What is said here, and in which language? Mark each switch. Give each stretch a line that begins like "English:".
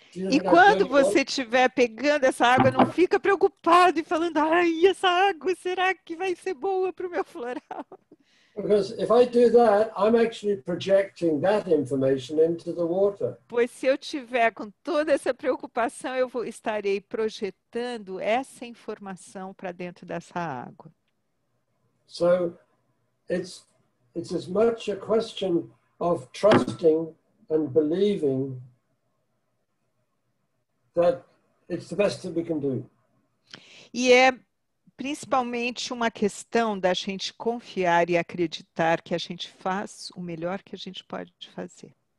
Portuguese: E quando você estiver pegando essa água, não fica preocupado e falando, ai, essa água, será que vai ser boa para o meu floral?
English: Because if I do that, I'm actually projecting that information into the water.
Portuguese: Pois se eu tiver com toda essa preocupação, eu estarei projetando essa informação para dentro dessa água.
English: So, it's as much a question of trusting and believing that it's the best that we can do.
Portuguese: E é principalmente uma questão da gente confiar e acreditar que a gente faz o melhor que a gente pode fazer.